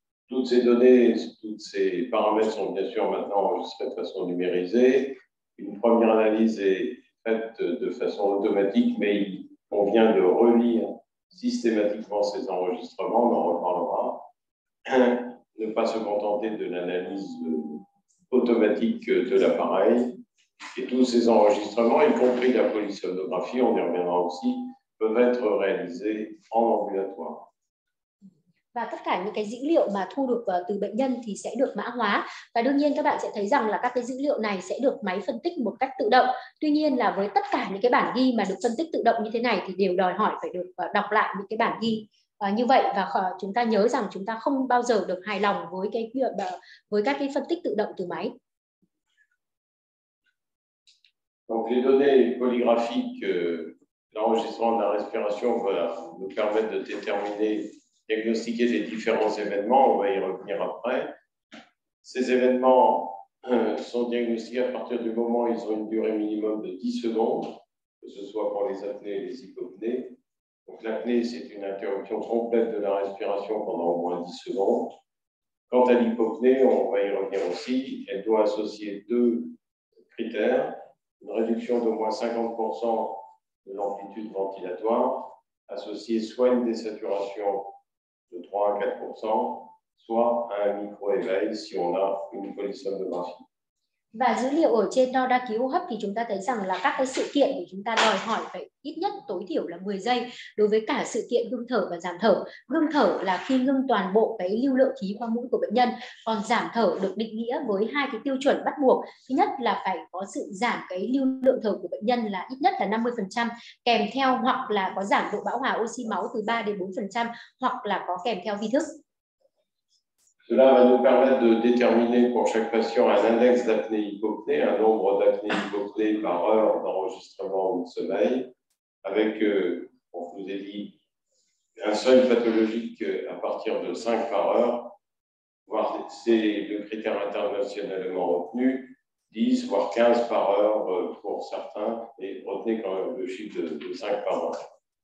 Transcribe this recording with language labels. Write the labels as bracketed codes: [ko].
[fr] Toutes ces données, toutes ces paramètres sont bien sûr maintenant enregistrés de façon numérisée. Une première analyse est faite de façon automatique, mais il convient de relire systématiquement ces enregistrements, on en reparlera. Ne pas se contenter de l'analyse automatique de l'appareil. Et tous ces enregistrements, y compris la polysomnographie, on y reviendra aussi, peuvent être réalisés en ambulatoire. [vi] Và tất cả những cái dữ liệu mà thu được từ bệnh nhân thì sẽ được mã hóa. Và đương nhiên các bạn sẽ thấy rằng là các cái dữ liệu này sẽ được máy phân tích một cách tự động. Tuy nhiên là với tất cả những cái bản ghi mà được phân tích tự động như thế này thì đều đòi hỏi phải được đọc lại những cái bản ghi như vậy. Và chúng ta nhớ rằng chúng ta không bao giờ được hài lòng với cái việc với các cái phân tích tự động từ máy. [fr] Donc les données polygraphiques, l'enregistrement de la respiration va nous permettre de déterminer, diagnostiquer les différents événements, on va y revenir après. Ces événements sont diagnostiqués à partir du moment où ils ont une durée minimum de 10 secondes, que ce soit pour les apnées et les hypopnées. Donc l'apnée, c'est une interruption complète de la respiration pendant au moins 10 secondes. Quant à l'hypopnée, on va y revenir aussi, elle doit associer deux critères, une réduction d'au moins 50% de l'amplitude ventilatoire, associée soit à une désaturation de 3 à 4%, soit à un micro-éveil si on a une polysomnographie. [vi] Và dữ liệu ở trên đo đa ký hô hấp thì chúng ta thấy rằng là các cái sự kiện thì chúng ta đòi hỏi phải ít nhất tối thiểu là 10 giây đối với cả sự kiện ngưng thở và giảm thở. Ngưng thở là khi ngưng toàn bộ cái lưu lượng khí qua mũi của bệnh nhân, còn giảm thở được định nghĩa với hai cái tiêu chuẩn bắt buộc. Thứ nhất là phải có sự giảm cái lưu lượng thở của bệnh nhân là ít nhất là 50%, kèm theo hoặc là có giảm độ bão hòa oxy máu từ 3 đến 4%, hoặc là có kèm theo vi thức. [fr] Cela va nous permettre de déterminer pour chaque patient un index d'apnée-hypopnée, un nombre d'apnée-hypopnée par heure d'enregistrement ou de sommeil, avec, on vous a dit, un seuil pathologique à partir de 5 par heure, voire c'est le critère internationalement retenu, 10 voire 15 par heure pour certains, et retenez quand même le chiffre de 5 par heure.